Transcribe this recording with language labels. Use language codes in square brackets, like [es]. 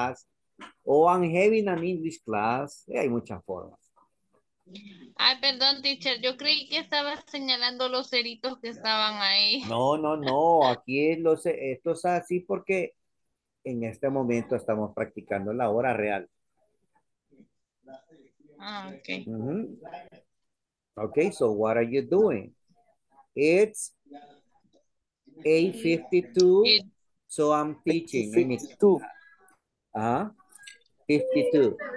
[en] I'm studying English, or I'm learning English, or I'm practicing English, or I'm participating in the class, or I'm having an English class. [es] Hay muchas formas. Ay, perdón, teacher, yo creí que estaba señalando los ceritos que estaban ahí. No, no, no, aquí lo sé, esto es así porque en este momento estamos practicando la hora real. Ah, ok. [en] Mm-hmm. Ok, so what are you doing? It's 8:52, so I'm teaching. 52. Uh-huh. 52.